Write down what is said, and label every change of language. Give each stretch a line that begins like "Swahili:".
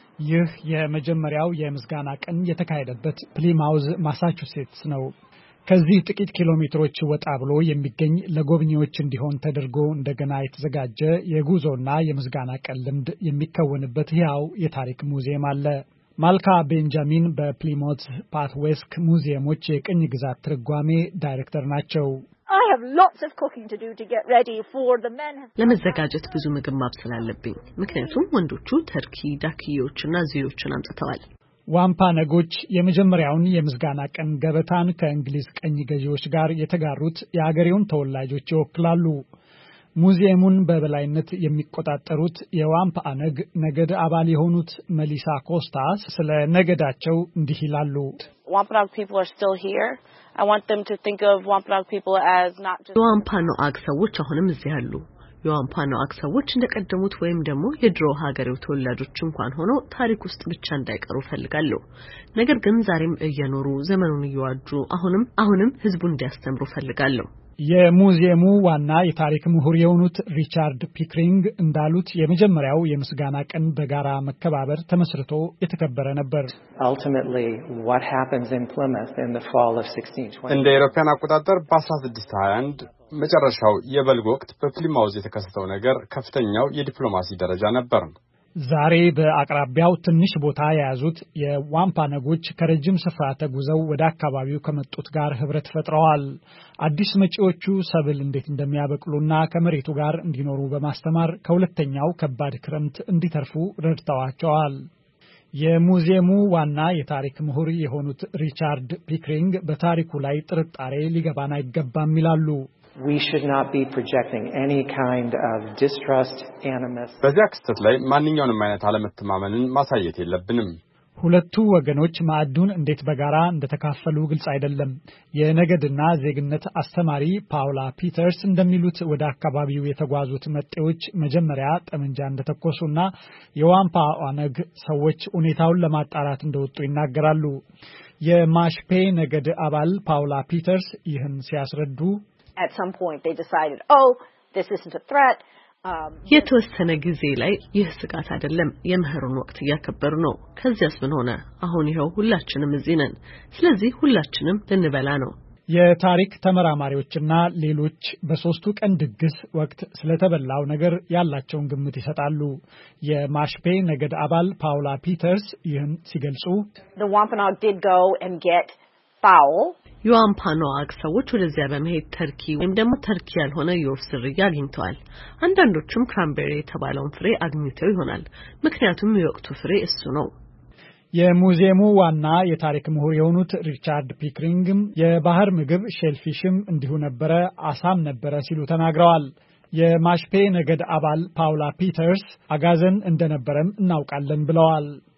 Amharic: ይህ የመጀመሪያው የምስጋና ቀን የተካሄደበት ፕሊማውዝ ማሳቹሴትስ ነው። ከዚህ ጥቂት ኪሎ ሜትሮች ወጣ ብሎ የሚገኝ ለጎብኚዎች እንዲሆን ተደርጎ እንደገና የተዘጋጀ የጉዞና የምስጋና ቀን ልምድ የሚከወንበት ያው የታሪክ ሙዚየም አለ። ማልካ ቤንጃሚን በፕሊማውዝ ፓትዌስክ ሙዚየሞች የቅኝ ግዛት ትርጓሜ ዳይሬክተር ናቸው።
English: I have lots of cooking to do to get ready for the men.
Amharic: ለመዘጋጀት ብዙ ምግብ ማብሰል አለብኝ። ምክንያቱም ወንዶቹ ተርኪ፣ ዳክዮችና ዚዮችን አምጥተዋል። ዋምፓ ነጎች የመጀመሪያውን የምስጋና ቀን ገበታን ከእንግሊዝ ቀኝ ገዢዎች ጋር የተጋሩት የአገሪውን ተወላጆች ይወክላሉ። ሙዚየሙን በበላይነት የሚቆጣጠሩት የዋምፓ ነግ ነገድ አባል የሆኑት መሊሳ ኮስታስ ስለ ነገዳቸው እንዲህ ይላሉ።
English: Wampanoag people are still here. I want them to think of Wampanoag people as not just
Amharic: Wampanoag ሰዎች አሁንም እዚህ አሉ። የዋምፓኖአግ ሰዎች እንደቀደሙት ወይም ደግሞ የድሮ ሀገሪው ተወላጆች እንኳን ሆኖ ታሪክ ውስጥ ብቻ እንዳይቀሩ ፈልጋለሁ። ነገር ግን ዛሬም እየኖሩ ዘመኑን እየዋጁ አሁንም ህዝቡን እንዲያስተምሩ ፈልጋለሁ። የሙዚየሙ ዋና የታሪክ ምሁር የሆኑት ሪቻርድ ፒክሪንግ እንዳሉት የመጀመሪያው የምስጋና ቀን በጋራ መከባበር ተመስርቶ የተከበረ ነበር።
English: Ultimately what happens in Plymouth in the fall of 1620
Amharic: እንደ አውሮፓን አቆጣጠር በ1621 መጨረሻው የበልግ ወቅት በፕሊማውዝ የተከሰተው ነገር ከፍተኛው የዲፕሎማሲ ደረጃ ነበር። ዛሬ በአቅራቢያው ትንሽ ቦታ ያዙት የዋምፓ ነጎች ከረጅም ስፍራ ተጉዘው ወደ አካባቢው ከመጡት ጋር ህብረት ፈጥረዋል። አዲስ መጪዎቹ ሰብል እንዴት እንደሚያበቅሉና ከመሬቱ ጋር እንዲኖሩ በማስተማር ከሁለተኛው ከባድ ክረምት እንዲተርፉ ረድተዋቸዋል። የሙዚየሙ ዋና የታሪክ ምሁር የሆኑት ሪቻርድ ፒክሪንግ በታሪኩ ላይ ጥርጣሬ ሊገባን አይገባም ይላሉ።
English: We should not be projecting any kind of distrust, animus.
Amharic: በዚያክስተት ላይ ማንኛውንም አይነት አለመተማመንን ማሳየት የለብንም። ሁለቱ ወገኖች ማዕዱን እንዴት በጋራ እንደተካፈሉ ግልጽ አይደለም። የነገድና ዜግነት አስተማሪ ፓውላ ፒተርስ እንደሚሉት ወደ አካባቢው የተጓዙት መጤዎች መጀመሪያ ጠመንጃ እንደተኮሱና የዋምፓ አነግ ሰዎች ሁኔታውን ለማጣራት እንደወጡ ይናገራሉ። የማሽፔ ነገድ አባል ፓውላ ፒተርስ ይህን ሲያስረዱ
English: At some point they decided, oh, this isn't a threat.
Amharic: የተወሰነ ጊዜ ላይ ይህ ስጋት አይደለም፣ የመህሩን ወቅት ያከበሩ ነው። ከዚያስ ምን ሆነ? አሁን ይኸው ሁላችንም እዚህ ነን። ስለዚህ ሁላችንም ልንበላ ነው። የታሪክ ተመራማሪዎችና ሌሎች በሶስቱ ቀን ድግስ ወቅት ስለተበላው ነገር ያላቸውን ግምት ይሰጣሉ። የማሽፔ ነገድ አባል ፓውላ ፒተርስ ይህን ሲገልጹ
English: The Wampanoag did go and get fowl.
Amharic: የዋምፓኖአግ ሰዎች ወደዚያ በመሄድ ተርኪ ወይም ደግሞ ተርኪ ያልሆነ የወፍ ዝርያ አግኝተዋል። አንዳንዶቹም ክራምቤሪ የተባለውን ፍሬ አግኝተው ይሆናል፣ ምክንያቱም የወቅቱ ፍሬ እሱ ነው። የሙዚየሙ ዋና የታሪክ ምሁር የሆኑት ሪቻርድ ፒክሪንግም የባህር ምግብ ሼልፊሽም እንዲሁ ነበረ፣ አሳም ነበረ ሲሉ ተናግረዋል። የማሽፔ ነገድ አባል ፓውላ ፒተርስ አጋዘን እንደነበረም እናውቃለን ብለዋል።